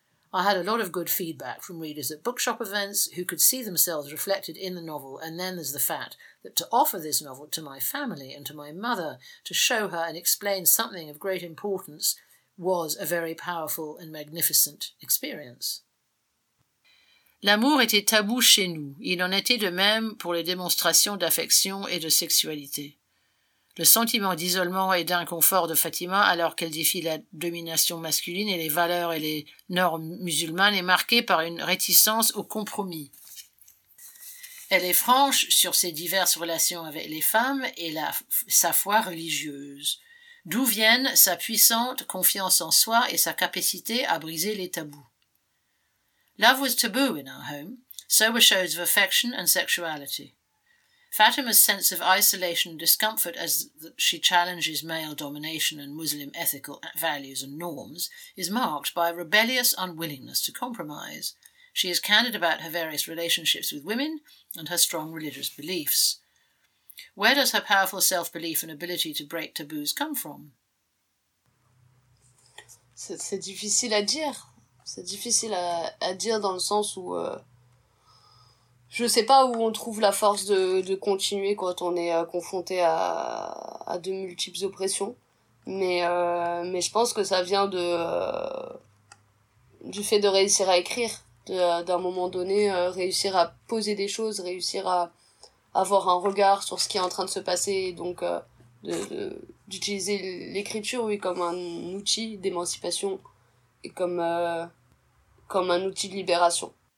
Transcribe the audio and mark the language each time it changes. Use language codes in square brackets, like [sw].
[en] I had a lot of good feedback from readers at bookshop events who could see themselves reflected in the novel, and then there's the fact that to offer this novel to my family and to my mother to show her and explain something of great importance was a very powerful and magnificent experience. [fr] L'amour était tabou chez nous. Il en était de même pour les démonstrations d'affection et de sexualité. Le sentiment d'isolement et d'inconfort de Fatima, alors qu'elle défie la domination masculine et les valeurs et les normes musulmanes, est marqué par une réticence au compromis. Elle est franche sur ses diverses relations avec les femmes et sa foi religieuse, d'où viennent sa puissante confiance en soi et sa capacité à briser les tabous. [en] Love was taboo in our home, so were shows of affection and sexuality. Fatima's sense of isolation and discomfort as she challenges male domination and Muslim ethical values and norms is marked by a rebellious unwillingness to compromise. She is candid about her various relationships with women and her strong religious beliefs. Where does her powerful self-belief and ability to break taboos come from? [fr] C'est difficile à dire. C'est difficile à dire dans le sens où... je sais pas où on trouve la force de continuer quand on est confronté à de multiples oppressions. Mais je pense que ça vient de... du fait de réussir à écrire, d'un moment donné, réussir à poser des choses, réussir à avoir un regard sur ce qui est en train de se passer, et donc d'utiliser l'écriture, oui, comme un outil d'émancipation et comme un outil de libération.